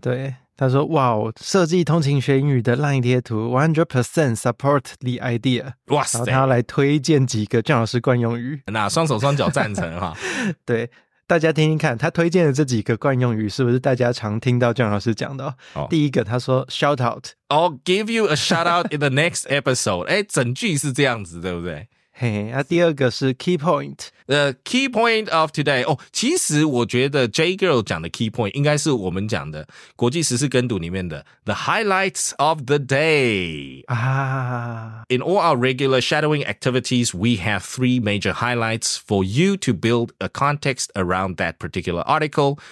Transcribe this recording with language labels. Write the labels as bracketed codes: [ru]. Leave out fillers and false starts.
[zh] 对，他说哇，设计通勤学英语的 LINE 贴图 [en] 100% support the idea。 [zh] 哇塞，然后他来推荐几个John老师惯用语，那双手双脚赞成哈对，大家听听看他推荐的这几个惯用语是不是大家常听到John老师讲的。第一个他说 shout out， [en] I'll give you a shout out in the next episode [zh] 诶，整句是这样子对不对。嘿，第二个是 key point， [en] The key point of today。 [zh] 哦，其实我觉得 J Girl 讲的 key point 应该是我们讲的国际时事跟读里面的 [en] The highlights of the day [zh] 啊。 [en] In all our regular shadowing activities, we have three major highlights for you to build a context around that particular article.